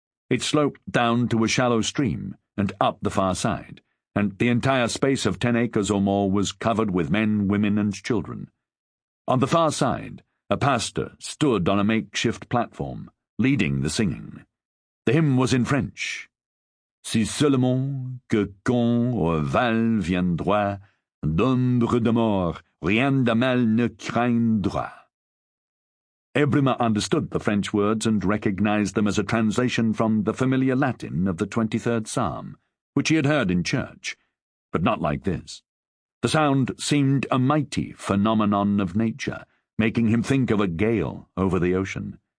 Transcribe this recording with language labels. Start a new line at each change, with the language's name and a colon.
English: It sloped down to a shallow stream and up the far side, and the entire space of 10 acres or more was covered with men, women, and children. On the far side, a pastor stood on a makeshift platform, leading the singing. The hymn was in French.
French: "Si seulement que quand au val viendra d'ombre de mort, rien de mal ne craindra."
English: Ibrima understood the French words and recognized them as a translation from the familiar Latin of the 23rd Psalm, which he had heard in church, but not like this. The sound seemed a mighty phenomenon of nature, making him think of a gale over the ocean.